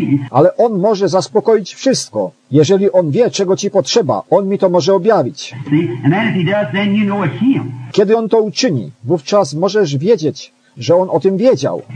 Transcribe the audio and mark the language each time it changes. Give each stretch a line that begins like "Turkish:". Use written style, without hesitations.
Polish: Ale on może zaspokoić wszystko. Jeżeli on wie, czego ci potrzeba, on mi to może objawić.
English: And then if he does, then you know it's him.
Polish: Kiedy on to uczyni, wówczas możesz wiedzieć, że on o tym wiedział.